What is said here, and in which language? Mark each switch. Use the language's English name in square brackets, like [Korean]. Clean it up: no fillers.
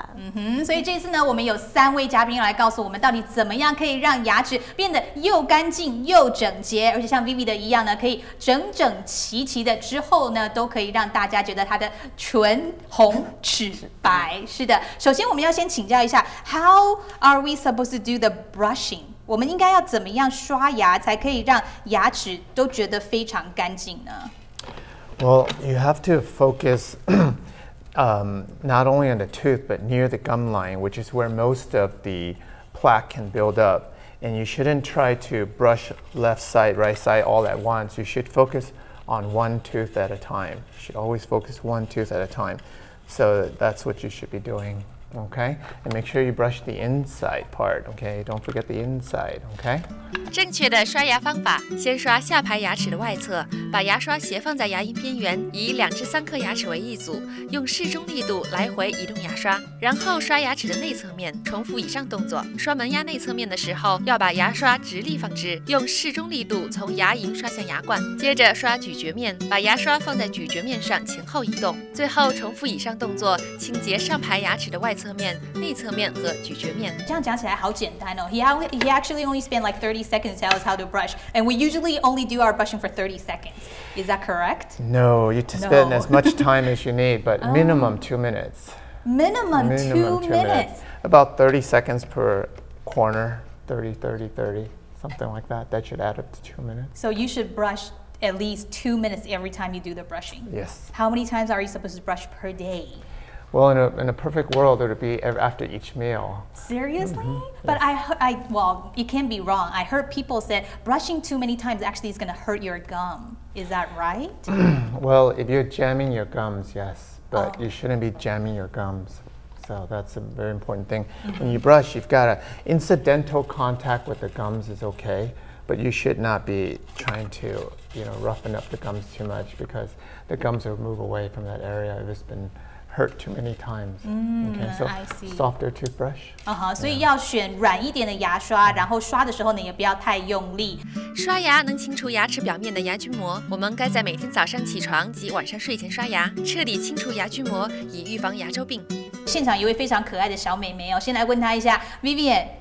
[Chinese] 嗯哼，所以这次呢，我们有三位嘉宾来告诉我们，到底怎么样可以让牙齿变得又干净又整洁，而且像 Vivi 的一样呢，可以整整齐齐的之后呢，都可以让大家觉得它的唇红齿白。是的，首先我们要先请教一下 [English] ，How are we supposed to do the brushing？ [Chinese] 我们应该要怎么样刷牙才可以让牙齿都觉得非常干净呢？ [English] Well, you have to focus not only on the tooth, but near the gum line, which is where most of the plaque can build up. And you shouldn't try to brush left side, right side all at once. You should focus on one tooth at a time. You should always focus one tooth at a time. So that's what you should be doing, okay? And make sure you brush the inside part, okay? Don't forget the inside, okay? [Chinese] 正确的刷牙方法，先刷下排牙齿的外侧，把牙刷斜放在牙龈边缘，以2至3颗牙齿为一组，用适中力度来回移动牙刷，然后刷牙齿的内侧面，重复以上动作。刷门牙内侧面的时候，要把牙刷直立放置，用适中力度从牙龈刷向牙冠，接着刷咀嚼面，把牙刷放在咀嚼面上前后移动，最后重复以上动作，清洁上排牙齿的外侧面、内侧面和咀嚼面。这样讲起来好简单哦。 [English] He actually only spent like 30 seconds tell us how to brush, and we usually only do our brushing for 30 seconds. Is that correct? No, you spend as much time as you need, but minimum 2 minutes. Minimum two minutes. About 30 seconds per corner, 30, something like that. That should add up to 2 minutes. So you should brush at least 2 minutes every time you do the brushing. Yes. How many times are you supposed to brush per day? Well, in a perfect world, it would be after each meal. Seriously? Mm-hmm. But yeah. Well, it can be wrong. I heard people said brushing too many times actually is going to hurt your gum. Is that right? Well, if you're jamming your gums, yes. But you shouldn't be jamming your gums. So that's a very important thing. Mm-hmm. When you brush, you've got an incidental contact with the gums is okay. But you should not be trying to, you know, roughen up the gums too much because the gums will move away from that area if it's been... hurt too many times. Okay, so softer toothbrush. [Chinese] 所以要选软一点的牙刷，然后刷的时候呢，也不要太用力。刷牙能清除牙齿表面的牙菌膜，我们该在每天早上起床及晚上睡前刷牙，彻底清除牙菌膜，以预防牙周病。现场一位非常可爱的小妹妹哦，先来问她一下 ，Vivian。